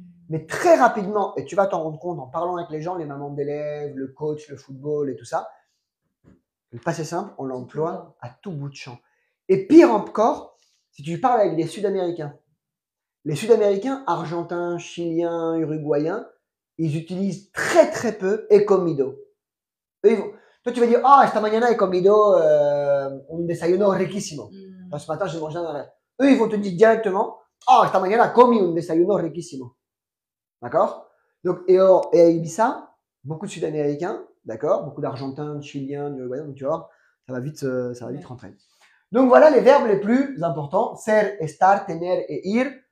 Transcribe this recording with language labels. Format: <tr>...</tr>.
<fr>Mais très rapidement, et tu vas t'en rendre compte en parlant avec les gens, les mamans d'élèves, le coach, le football et tout ça, le passé simple, on l'emploie à tout bout de champ. Et pire encore, si tu parles avec les Sud-Américains, Argentins, Chiliens, Uruguayens, ils utilisent très très peu « ecomido ». Toi, tu vas dire</fr> <es>« Ah, oh, esta mañana ecomido, un desayuno riquísimo.</es> <fr>Ce matin, j'ai mangé un arrêt. » Eux, ils vont te dire directement «</fr> <es>Ah, oh, esta mañana comi un desayuno riquísimo.</es> <fr>» D'accord? Donc, et à Ibiza, beaucoup de Sud-Américains, d'accord? Beaucoup d'Argentins, de Chiliens, de Uruguayens, tu vois, ça va vite rentrer. Donc, voilà les verbes les plus importants, ser, estar, tener et ir.</fr>